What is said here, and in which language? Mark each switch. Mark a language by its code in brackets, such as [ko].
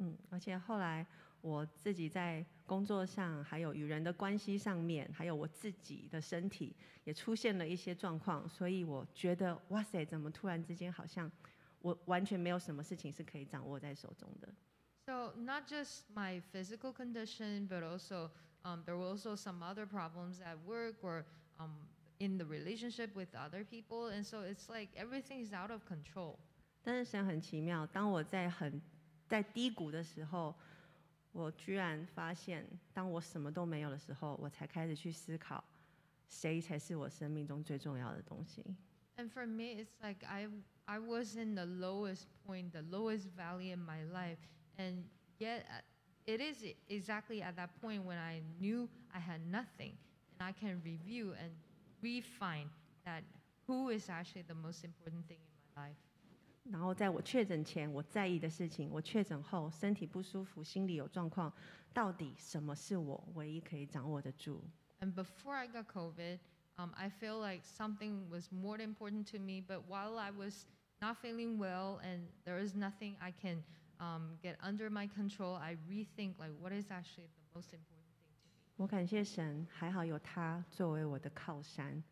[zh] 而且后来我自己在工作上，还有与人的关系上面，还有我自己的身体，也出现了一些状况，所以我觉得，哇塞，怎么突然之间好像我完全没有什么事情是可以掌握在手中的。 [en] So not just my physical condition, but also there were also some other problems at work or in the relationship with other people, and so it's like everything is out of control. [zh] 但是神很奇妙，当我在低谷的时候。我居然发现，当我什么都没有的时候，我才开始去思考，谁才是我生命中最重要的东西。 [en] And for me, it's like I was in the lowest point, the lowest valley in my life, and yet it is exactly at that point when I knew I had nothing, and I can review and refine that who is actually the most important thing in my life. [zh] 然后在我确诊前我在意的事情，我确诊后身体不舒服，心里有状况，到底什么是我唯一可以掌握得住 [en] ？And before I got COVID, I feel like something was more important to me. But while I was not feeling well, and there is nothing I can get under my control, I rethink like what is actually the most important thing to me. [zh] 我感谢神，还好有他作为我的靠山。